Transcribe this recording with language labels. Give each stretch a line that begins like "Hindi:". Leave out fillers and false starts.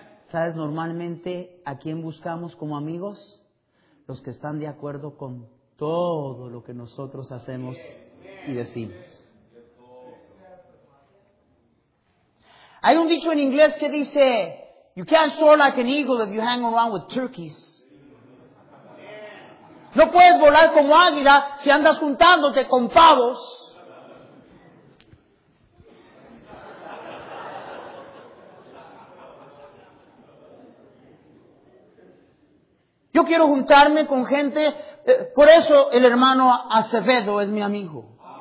Spanish: ¿Sabes normalmente a quién buscamos como amigos? Los que están de acuerdo con todo lo que nosotros hacemos y decimos. Hay un dicho en inglés que dice,
English: You can't soar like an eagle if you hang around with turkeys.
Spanish: No puedes volar como águila si andas juntándote con pavos. Yo quiero juntarme con gente, por eso el hermano Acevedo es mi amigo.